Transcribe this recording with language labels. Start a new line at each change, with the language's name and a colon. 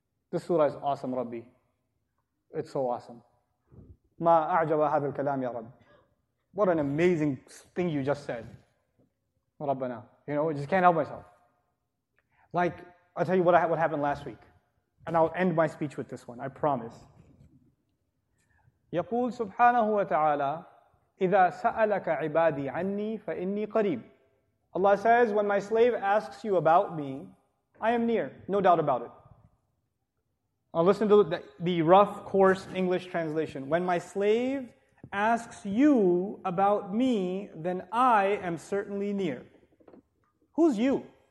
English: This surah is awesome, Rabbi. It's so awesome.
Arabic: Ma a'jaba hadha al-kalam, Ya Rabbi.
English: What an amazing thing you just said. Rabbana. You know, I just can't help myself. Like, I'll tell you what happened last week. And I'll end my speech with this one, I promise.
Arabic: يقول سبحانه وتعالى إذا سألك عبادي عني فإني قريب.
English: Allah says, when my slave asks you about me, I am near, no doubt about it. Now listen to the rough, coarse English translation. When my slave asks you about me, then I am certainly near. Who's you?